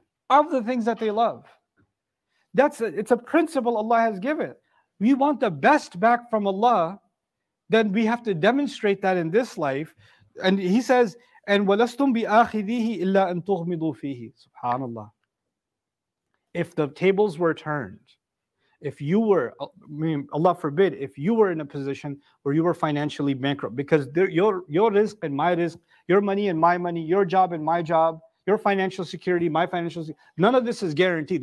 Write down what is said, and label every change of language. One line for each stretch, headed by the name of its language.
English: Of the things that they love. It's a principle Allah has given. We want the best back from Allah, then we have to demonstrate that in this life. And he says, and
Arabic: وَلَسْتُمْ بِآخِذِهِ إِلَّا أَن تُغْمِضُوا فِيهِ. SubhanAllah.
English: If the tables were turned, Allah forbid, if you were in a position where you were financially bankrupt, because your risk and my risk, your money and my money, your job and my job, your financial security, my financial security, none of this is guaranteed.